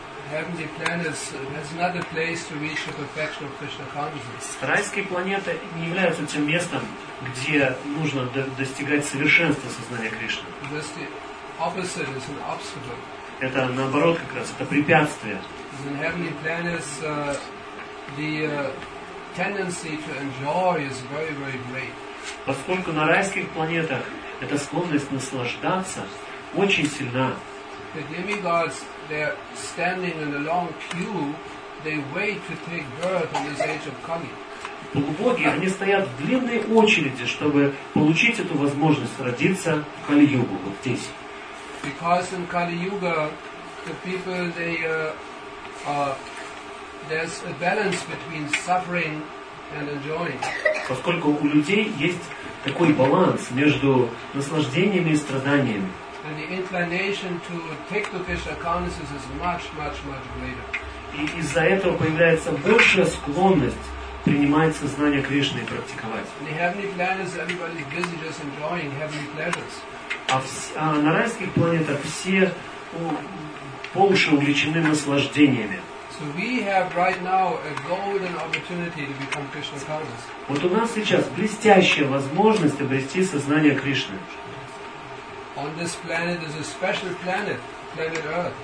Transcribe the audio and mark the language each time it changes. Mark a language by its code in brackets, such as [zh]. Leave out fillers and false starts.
[en] Heavenly planets, that's not a place to reach the perfection of Krishna consciousness. [ru] Райские планеты не являются тем местом, где нужно достигать совершенства сознания Кришны. [en] That's the opposite, it's an obstacle. [ru] Это наоборот как раз, это препятствие. [en] In heavenly planets, the tendency to enjoy is very, very great. [ru] Поскольку на райских планетах эта склонность наслаждаться очень сильна. [en] The demigods, they're standing in a long queue, they wait to take birth in this age of Kali. [ru] Полубоги, они стоят в длинной очереди, чтобы получить эту возможность родиться в Кали-Югу, вот здесь. [en] Because in Kali-Yuga, the people, they there's a balance between suffering and enjoying. [ru] Поскольку у людей есть такой баланс между наслаждениями и страданиями. [en] And the inclination to take to Krishna consciousness is much, much, much greater. [ru] И из-за этого появляется большая склонность принимать сознание Кришны и практиковать. [en] The heavenly planets, everybody is busy just enjoying heavenly pleasures. [ru] А на райских планетах все по уши увлечены наслаждениями. [en] So we have right now a golden opportunity to become Krishna conscious. [ru] Вот у нас сейчас блестящая возможность обрести сознание Кришны. [en] On this planet is a special planet, planet Earth.